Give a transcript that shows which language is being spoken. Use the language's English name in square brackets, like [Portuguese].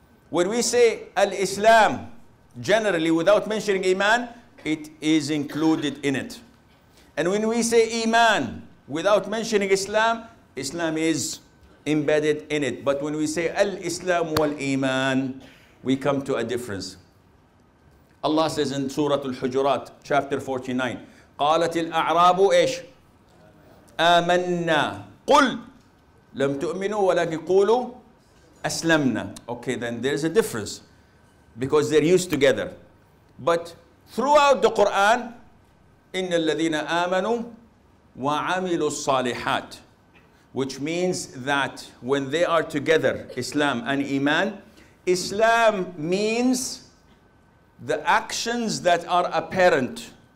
[English] When we say Al-Islam, generally, without mentioning Iman, it is included in it. And when we say Iman, without mentioning Islam, Islam is embedded in it. But when we say Al-Islam wal-Iman, we come to a difference. Allah says in Surah Al-Hujurat, chapter 49, [Arabic] قالت الأعراب إيش؟ آمنا قل لم تؤمنوا ولكن قولوا أسلمنا. [English] Okay, then there is a difference because they're used together. But throughout the Quran, [Arabic] إن الذين آمنوا وعملوا الصالحات, [English] which means that when they are together, Islam and Iman, Islam means the actions that are apparent.